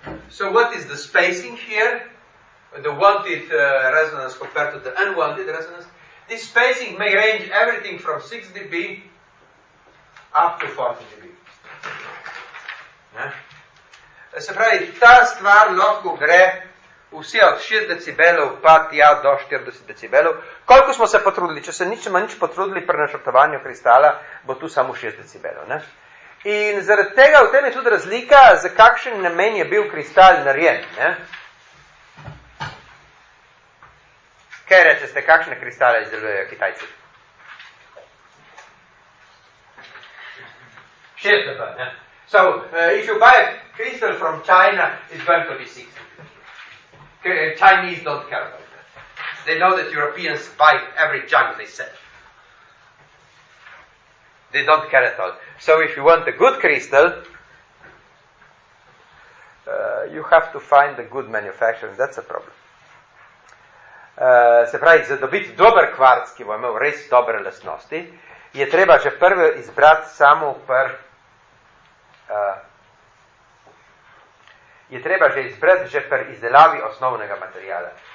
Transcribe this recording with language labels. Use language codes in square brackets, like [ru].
[en] So what is the spacing here? The wanted resonance compared to the unwanted resonance. This spacing may range everything from 6 dB up to 40 dB. [sl] Ne? Se pravi, ta stvar lahko gre vse od 6 decibelov pa tja do 40 decibelov. Koliko smo se potrudili? Če se ničemo nič potrudili pri načrtovanju kristala, bo tu samo 6 decibelov. Ne? In zaradi tega v tem je tudi razlika, za kakšen namen je bil kristal narejen. Ne? Kaj reče ste, kakšne kristale izdelujejo Kitajci? 6 decibelov, ne? [en] So, if you buy a crystal from China, it's going to be 60. Chinese don't care about that. They know that Europeans buy every junk they sell. They don't care at all. So, if you want a good crystal, you have to find a good manufacturer. That's a problem. [sl] Se pravi, za dobiti dober kvarc, ki bo imel res dobre lastnosti, je treba že prvo izbrati samo pr je treba že izbrati že pri izdelavi osnovnega materijala.